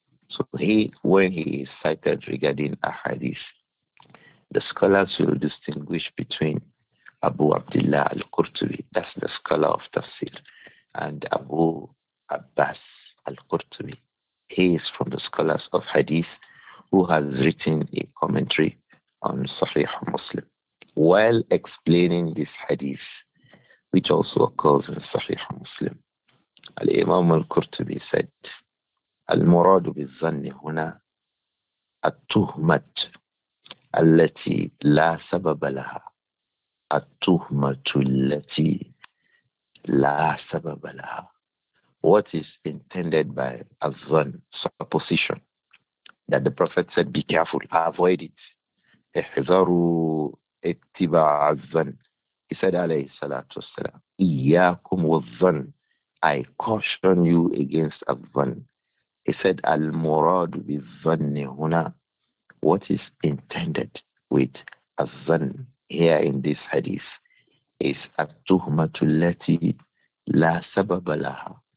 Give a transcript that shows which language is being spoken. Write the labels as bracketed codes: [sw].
[en] So he, when he is cited regarding a hadith, the scholars will distinguish between Abu Abdullah al-Qurtubi, that's the scholar of tafsir, and Abu Abbas al-Qurtubi. He is from the scholars of hadith who has written a commentary on Sahih Muslim. While explaining this hadith, which also occurs in Sahih Muslim, [ar] الإمام القرطبي [en] said [ar] المراد بالظن هنا التهمة التي لا سبب لها التهمة التي لا سبب لها. [en] What is intended by a ظن, supposition, that the Prophet said be careful, avoid it. [ar] احذروا اتباع الظن. [en] He said [ar] عليه الصلاة والسلام إياكم والظن. [en] I caution you against a dhan. He said, [ar] Al-murad bi-dhanni huna. [en] What is intended with a dhan here in this hadith is [ar] at-tuhmatu allati la sababa laha.